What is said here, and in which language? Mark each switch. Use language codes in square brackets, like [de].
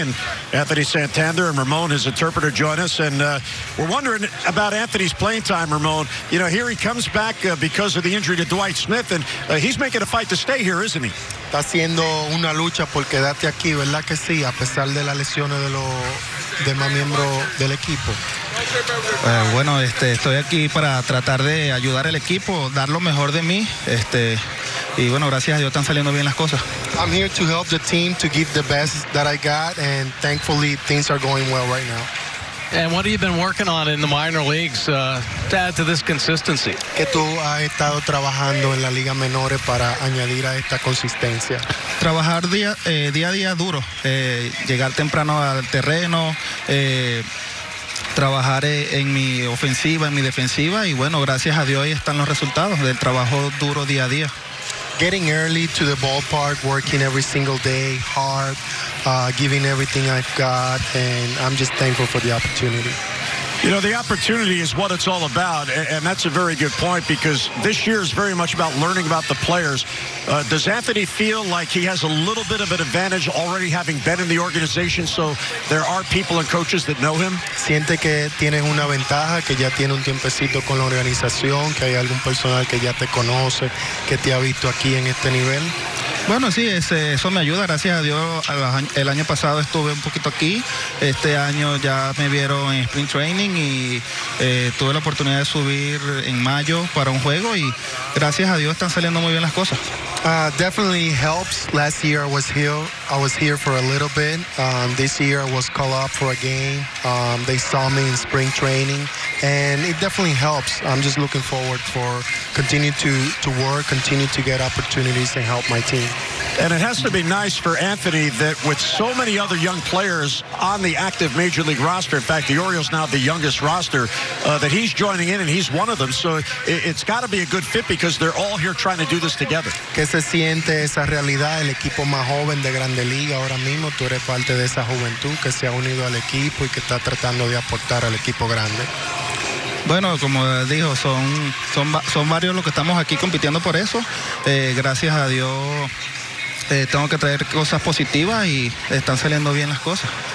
[en] And Anthony Santander and Ramon, his interpreter, join us. And we're wondering about Anthony's playing time, Ramon. You know, here he comes back because of the injury to Dwight Smith. And he's making a fight to stay here, isn't he? [es] Está haciendo una lucha por quedarte aquí, ¿verdad que sí? A pesar de las lesiones de los demás miembros del equipo. Bueno, estoy aquí para tratar de ayudar al equipo, dar lo mejor de mí. Y bueno, gracias a Dios están saliendo bien las cosas. [en] I'm here to help the team to give the best that I got, and thankfully things are going well right now. And what have you been working on in the minor leagues to add to this consistency? [es] ¿Qué tú has estado trabajando en la liga menores para añadir a esta consistencia? Trabajar día a día duro, llegar temprano al terreno, trabajar en mi ofensiva, en mi defensiva, y bueno, gracias a Dios ahí están los resultados del trabajo duro día a día. [en] Getting early to the ballpark, working every single day, hard, giving everything I've got, and I'm just thankful for the opportunity. You know, the opportunity is what it's all about, and that's a very good point, because this year is very much about learning about the players. Does Anthony feel like he has a little bit of an advantage already having been in the organization, so there are people and coaches that know him? [es] Siente que tienes una ventaja, que ya tiene un tiempecito con la organización, que hay algún personal que ya te conoce, que te ha visto aquí en este nivel. Bueno, sí, eso me ayuda, gracias a Dios. El año pasado estuve un poquito aquí, este año ya me vieron en Spring Training y tuve la oportunidad de subir en mayo para un juego, y gracias a Dios están saliendo muy bien las cosas. [en] Definitely helps. Last year I was here for a little bit. This year I was called up for a game. They saw me in Spring Training, and it definitely helps. I'm just looking forward for continuing to work, continue to get opportunities to help my team. And it has to be nice for Anthony that with so many other young players on the active Major League roster, in fact, the Orioles now the youngest roster, that he's joining in and he's one of them. So it's got to be a good fit because they're all here trying to do this together. [es] ¿Qué se siente esa realidad? El equipo más joven de Grande Liga ahora mismo, tú eres parte de esa juventud que se ha unido al equipo y que está tratando de aportar al equipo grande. Bueno, como dijo, son varios los que estamos aquí compitiendo por eso. Gracias a Dios, tengo que traer cosas positivas y están saliendo bien las cosas.